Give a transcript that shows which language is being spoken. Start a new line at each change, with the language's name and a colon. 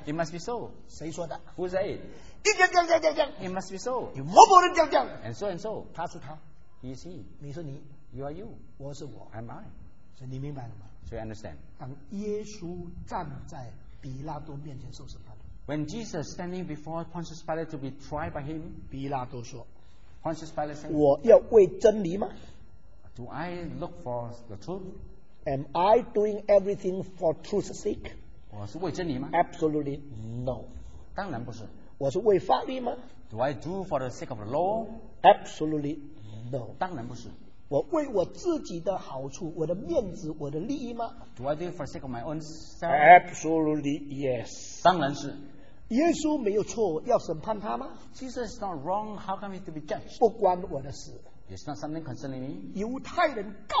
English: It must be so.
Chinese: 谁说的
English: ？Who said it? 一样。It must be so.
Chinese: 有某某人这样。
English: And so and so.
Chinese: 他是他。
English: He is he.
Chinese: 你是你。
English: You are you.
Chinese: 我是我。
English: I'm I.
Chinese: 所以你明白了吗？
English: So you understand.
Chinese: 当耶稣站在比拉多面前受审判。
English: When Jesus standing before Pontius Pilate to be tried by him,
Chinese: 比拉多说,
English: Pontius Pilate said,
Chinese: 我要为真理吗？
English: Do I look for the truth? Am I doing everything for truth's sake?
Chinese: 我是为真理吗？
English: Absolutely no.
Chinese: 当然不是。我是为法律吗？
English: Do I do for the sake of the law? Absolutely no.
Chinese: 当然不是。我为我自己的好处，我的面子，我的利益吗？
English: Do I do for the sake of my own self? Absolutely yes.
Chinese: 当然是。耶稣没有错，要审判他吗？
English: Jesus is not wrong. How come he to be judged?
Chinese: 不关我的事。
English: It's not something concerning me.